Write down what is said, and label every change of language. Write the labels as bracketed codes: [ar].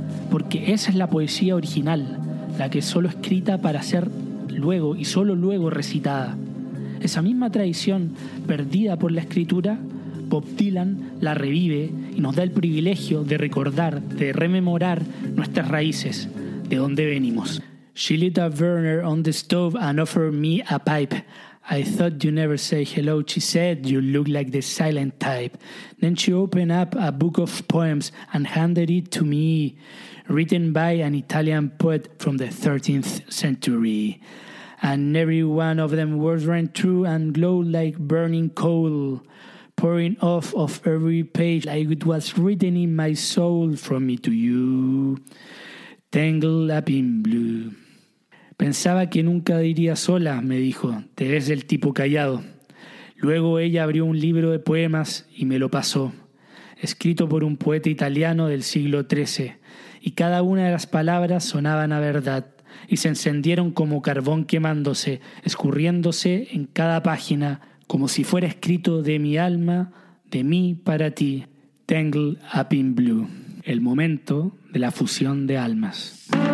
[es] Porque esa es la poesía original, la que es solo escrita para ser luego y solo luego recitada. Esa misma tradición perdida por la escritura, Bob Dylan la revive y nos da el privilegio de recordar, de rememorar nuestras raíces, de dónde venimos. [en] She lit a burner on the stove and offered me a pipe. I thought you never say hello, she said, you look like the silent type. Then she opened up a book of poems and handed it to me, written by an Italian poet from the 13th century. And every one of them was ran through and glowed like burning coal, pouring off of every page like it was written in my soul from me to you, tangled up in blue. [es] Pensaba que nunca diría sola, me dijo, te ves el tipo callado. Luego ella abrió un libro de poemas y me lo pasó, escrito por un poeta italiano del siglo XIII, y cada una de las palabras sonaban a verdad, y se encendieron como carbón quemándose, escurriéndose en cada página, como si fuera escrito de mi alma, de mí para ti, Tangled Up in Blue, el momento de la fusión de almas.